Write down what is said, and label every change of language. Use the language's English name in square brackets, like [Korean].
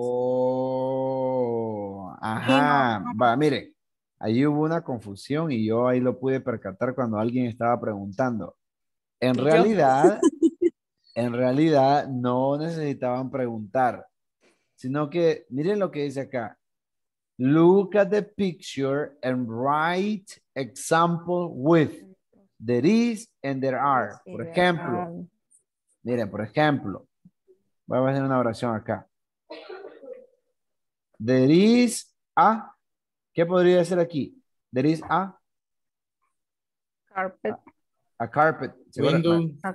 [Spanish] Oh, ajá. No, no. Va, mire, ahí hubo una confusión y yo ahí lo pude percatar cuando alguien estaba preguntando. En realidad, en realidad no necesitaban preguntar, sino que miren lo que dice acá. [English] Look at the picture and write example with there is and there are. [Spanish] Por ejemplo, miren, por ejemplo, voy a hacer una oración acá. [English] There is a, [Spanish] ¿qué podría ser aquí? [English] There is a carpet. A carpet. Window.